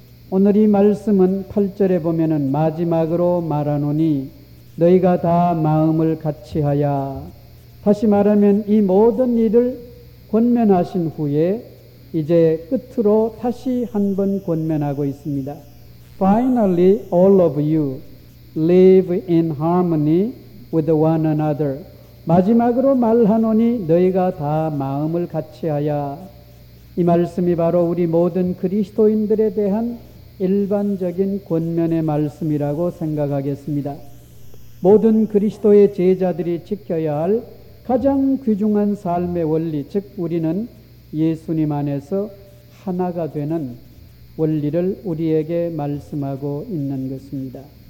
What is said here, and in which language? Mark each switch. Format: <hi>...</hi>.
<ko>오늘 이 말씀은 8절에 보면은 마지막으로 말하노니 너희가 다 마음을 같이 하야. 다시 말하면 이 모든 일을 권면하신 후에 이제 끝으로 다시 한번 권면하고 있습니다.</ko> <en>Finally, all of you live in harmony with one another.</en> <ko>마지막으로 말하노니 너희가 다 마음을 같이 하야. 이 말씀이 바로 우리 모든 그리스도인들에 대한 일반적인 권면의 말씀이라고 생각하겠습니다. 모든 그리스도의 제자들이 지켜야 할 가장 귀중한 삶의 원리, 즉 우리는 예수님 안에서 하나가 되는 원리를 우리에게 말씀하고 있는 것입니다.</ko>